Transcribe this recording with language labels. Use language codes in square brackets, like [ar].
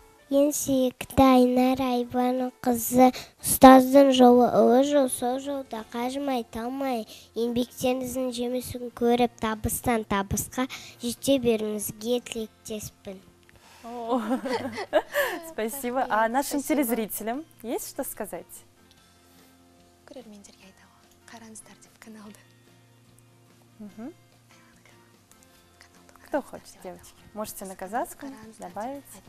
[kk] Енсек Тайнар Айбану қызы ұстаздың жолы ұлы жол, сол жолда қажымай, талмай, еңбектеріңіздің жемісін көріп, табыстан табысқа жете беріңізге тілектеспін. [ru] Спасибо. А нашим телезрителям есть что сказать? [kk] Көрермендерге айтамын. Қараңыздар деп каналды. [ru] Кто хочет, девочки? Можете на казахском добавить.